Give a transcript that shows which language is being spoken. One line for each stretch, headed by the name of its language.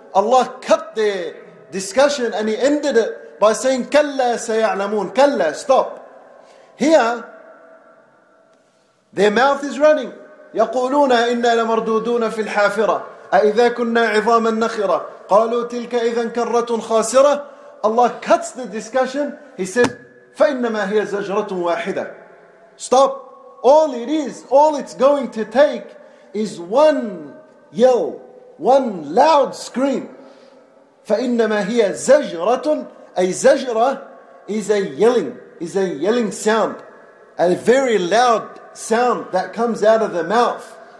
English: Allah cut their discussion and He ended it by saying,
Arabic: كَلَّا سَيَعْلَمُونَ.
English: كَلَّا, stop. Here, their mouth is running.
Arabic: يقولون إنا لمردودون في الحافرة أإذا كنا عظاما نخرة قالوا تلك إذا كرة خاسرة.
English: Allah cuts the discussion. He says,
Arabic: فإنما هي زجرة واحدة.
English: Stop. All it is, all it's going to take is one yell, one loud scream.
Arabic: فإنما هي زجرة, أي زجرة
English: is a yelling, is a yelling sound, a very loud sound that comes out of the mouth.